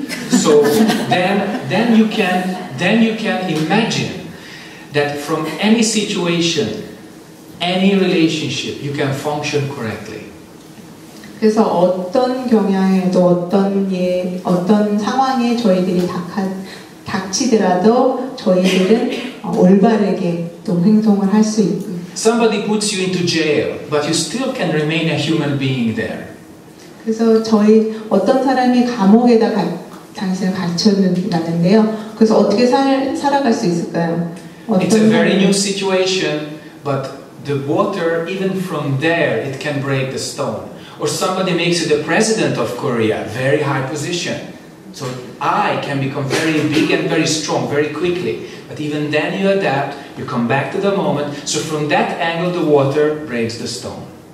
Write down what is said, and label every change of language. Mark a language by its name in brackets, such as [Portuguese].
[English] So then you can imagine that from any situation, any relationship, you can function correctly. [Korean] 그래서 어떤 경향에도 어떤 상황에 저희들이 닥치더라도 저희들은 올바르게 또 행동을 할 수 있고. [English] Somebody puts you into jail, but you still can remain a human being there. [Korean] 그래서 어떤 사람이 감옥에다 당신을 갇혔는데요. 그래서 어떻게 살아갈 수 있을까요? [English] It's a very new situation, but the water, even from there, it can break the stone. Or somebody makes you the president of Korea, very high position. So I can become very big and very strong very quickly. But even then you adapt, you come back to the moment. So from that angle, the water breaks the stone.